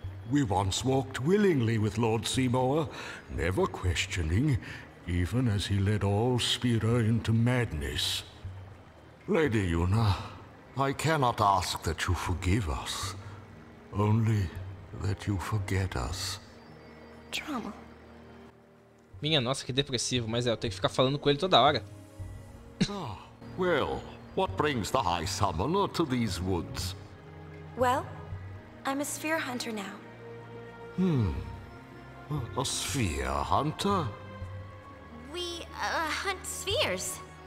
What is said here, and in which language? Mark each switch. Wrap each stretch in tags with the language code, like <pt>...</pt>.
<en>We once walked willingly with Lord Seymour, never questioning, even as he led all Spira into madness. Lady Yuna, I cannot ask that you forgive us, only that you forget us. Trauma.</en> <pt>Minha nossa, que depressivo, mas é, eu tenho que ficar falando com ele toda hora.</pt> <en>Ah, well, what brings the High Summoner to these woods? Well, I'm a sphere hunter now. A sphere hunter? We hunt spheres.</en>